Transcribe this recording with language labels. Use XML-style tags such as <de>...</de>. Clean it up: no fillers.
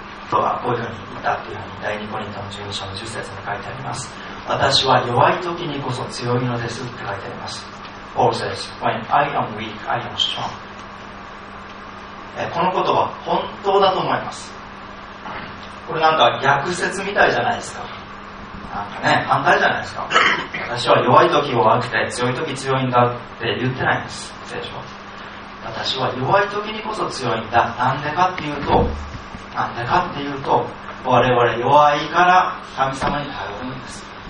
<ja>とはこういうふうに言ったというふうに第2コリントの12章の10節に書いてあります。私は弱い時にこそ強いのですって書いてあります。</ja> <en>Paul says, When I am weak, I am strong.</en> <ja>このことは本当だと思います。これなんか逆説みたいじゃないですか。なんかね、反対じゃないですか。私は弱い時弱くて強い時強いんだって言ってないんです、聖書。私は弱い時にこそ強いんだ。なんでかっていうと、なんでかっていうと、我々弱いから神様に頼るんです。</ja>